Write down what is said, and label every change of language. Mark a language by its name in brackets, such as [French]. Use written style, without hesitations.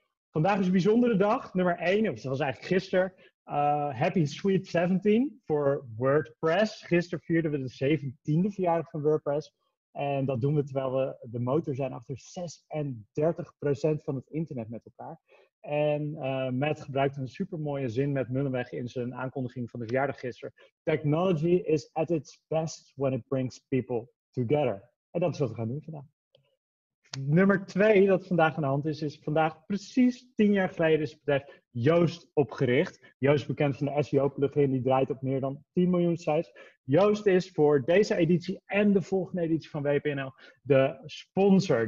[Dutch] Vandaag is een bijzondere dag, nummer 1, of dat was eigenlijk gisteren, [English] Happy Sweet 17 [Dutch] voor WordPress. Gisteren vierden we de 17e verjaardag van WordPress. En dat doen we terwijl we de motor zijn achter 36% van het internet met elkaar. En Matt gebruikt een supermooie zin met Mullenweg in zijn aankondiging van de verjaardag gisteren. [English] Technology is at its best when it brings people together. [Dutch] En dat is wat we gaan doen vandaag. Nummer 2 dat vandaag aan de hand is vandaag precies 10 jaar geleden is het bedrijf Yoast opgericht. Yoast bekend van de SEO-plugin, die draait op meer dan 10 miljoen sites. Yoast is voor deze editie en de volgende editie van WPNL de sponsor.